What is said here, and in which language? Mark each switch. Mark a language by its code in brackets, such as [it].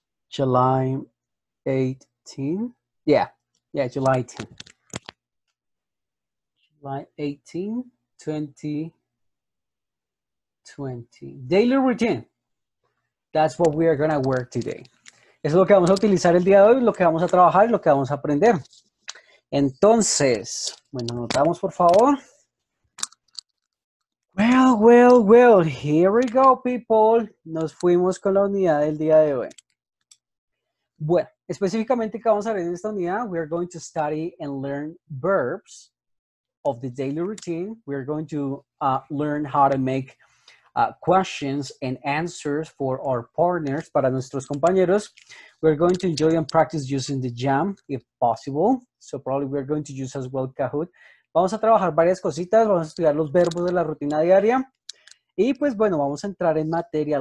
[en] July 18? Yeah, yeah, July 18. July 18, 2020. Daily routine. That's what we are going to work today. [es] Eso es lo que vamos a utilizar el día de hoy, lo que vamos a trabajar, lo que vamos a aprender. Entonces, bueno, anotamos por favor. [en] Well, well, well, here we go, people. [es] Nos fuimos con la unidad del día de hoy. Bueno, específicamente, ¿qué vamos a ver en esta unidad? [en] We are going to study and learn verbs of the daily routine. We are going to learn how to make questions and answers for our partners, [es] para nuestros compañeros. [en] We're going to enjoy and practice using the Jam, if possible. So probably we're going to use as well Kahoot. [es] Vamos a trabajar varias cositas. Vamos a estudiar los verbos de la rutina diaria. Y pues bueno, vamos a entrar en materia.